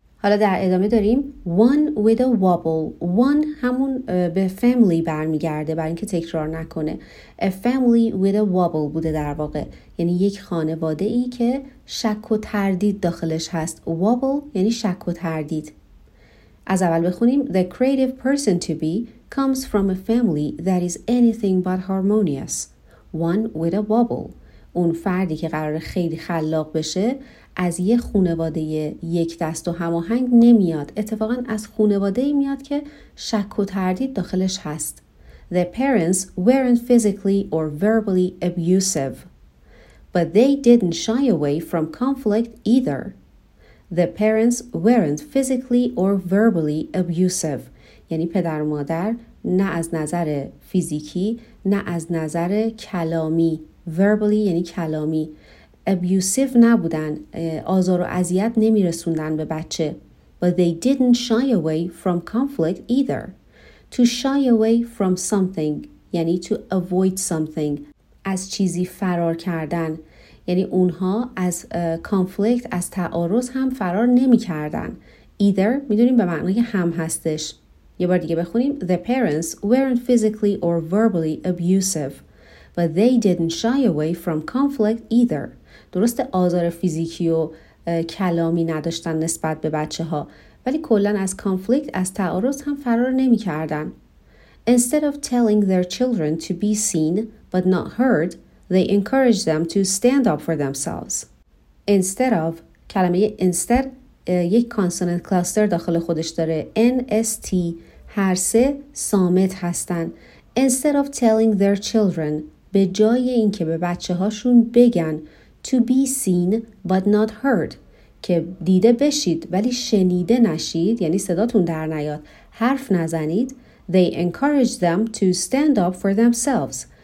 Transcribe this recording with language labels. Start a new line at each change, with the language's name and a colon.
Persian: حالا در ادامه داریم
English: one with a wobble.
Persian: One همون به family برمیگرده برای اینکه تکرار نکنه.
English: A family with a wobble
Persian: بوده در واقع. یعنی یک خانواده ای که شک و تردید داخلش هست. Wobble یعنی شک و تردید. از اول بخونیم
English: The creative person to be comes from a family that is anything but harmonious. One with a wobble.
Persian: اون فردی که قرار خیلی خلاق بشه از یه خانواده یک دست و هماهنگ نمیاد، اتفاقا از خانواده میاد که شک و تردید داخلش هست.
English: The parents weren't physically or verbally abusive, but they didn't shy away from conflict either. The parents weren't physically or verbally abusive.
Persian: یعنی پدر و مادر نه از نظر فیزیکی نه از نظر کلامی، verbally یعنی کلامی، abusive نبودن، آزار و اذیت نمی رسوندن به بچه.
English: But they didn't shy away from conflict either. To shy away from something
Persian: یعنی
English: to avoid something،
Persian: از چیزی فرار کردن. یعنی اونها از conflict، از تعارض هم فرار نمی کردن. Either می دونیم به معنی هم هستش. یه بار دیگه بخونیم.
English: The parents weren't physically or verbally abusive, but they didn't shy away from conflict either.
Persian: درست آزار فیزیکی و کلامی نداشتن نسبت به بچه ها، ولی کلن از کانفلیکت، از تعارض هم فرار نمی کردن.
English: Instead of telling their children to be seen but not heard, they encouraged them to stand up for themselves. Instead of،
Persian: کلمه instead یک کانسوننت کلاستر داخل خودش داره. NST هر سه صامت هستن.
English: Instead of telling their children،
Persian: به جای این که به بچه هاشون بگن
English: to be seen but not heard،
Persian: که دیده بشید ولی شنیده نشید، یعنی صداتون در نیاد، حرف نزنید،
English: they encouraged them to stand up for themselves.